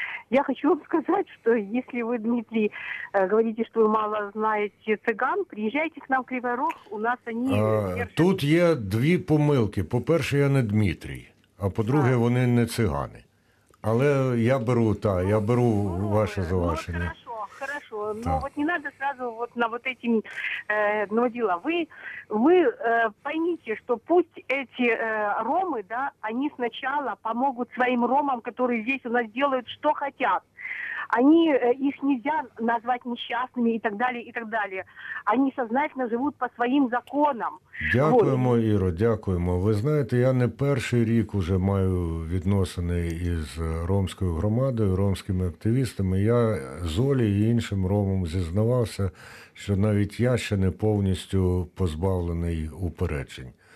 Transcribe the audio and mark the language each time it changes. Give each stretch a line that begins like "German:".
Russian: Я хочу вам сказать, что если вы, Дмитрий, говорите, что вы мало знаете цыган, приезжайте к нам в Кривий Рог, у нас они...
Ukrainian: Тут є дві помилки. По-перше, я не Дмитрий, а по-друге, вони не цигани. Але я беру, ваше зауваження.
Russian: Хорошо, не надо сразу вот на вот эти дела. Вы поймите, что пусть эти ромы, да, они сначала помогут своим ромам, которые здесь у нас делают, что хотят. Они, их нельзя назвать несчастными и так далее, и так далее. Они сознательно живут по своим законам.
Ukrainian: Дякуємо,
Russian: вот.
Ukrainian: Іро, дякуємо. Ви знаєте, я не перший рік уже маю відносини із ромською громадою, ромськими активістами. Я Золі і іншим ромам зізнавався, що навіть я ще не повністю позбавлений упереджень.